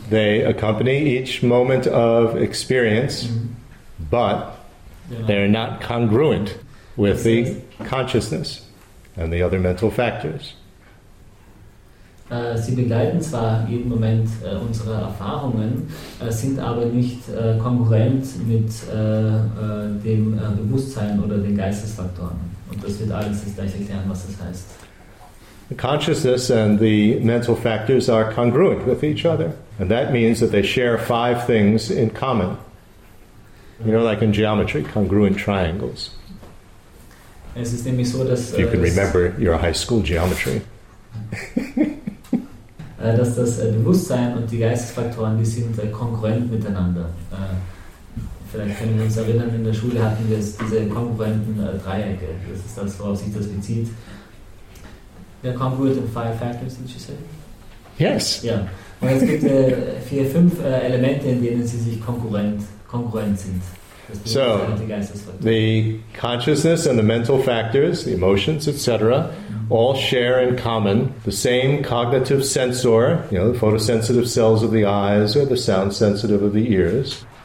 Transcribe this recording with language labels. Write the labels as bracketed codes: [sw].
[en] They accompany each moment of experience, mm-hmm. but they're not congruent with the consciousness and the other mental factors. [de] Sie begleiten zwar jeden Moment unserer Erfahrungen, sind aber nicht kongruent mit dem Bewusstsein oder den Geistesfaktoren. Und das wird alles jetzt gleich erklären, was das heißt. [en] The consciousness and the mental factors are congruent with each other. And that means that they share five things in common. You know, like in geometry, congruent triangles. [de] Es ist nämlich so, dass, [en] if you can remember your high school geometry. [de] dass das Bewusstsein und die Geistesfaktoren, die sind kongruent miteinander. Vielleicht können wir uns erinnern, in der Schule hatten wir diese kongruenten Dreiecke. Das ist das, worauf sich das bezieht. [en] They're congruent in five factors, did you say? Yes. Yeah. [de] Und es gibt fünf Elemente, in denen sie sich kongruent sind. [en] So, the consciousness and the mental factors, the emotions, etc., all share in common the same cognitive sensor, you know, the photosensitive cells of the eyes or the sound sensitive of the ears.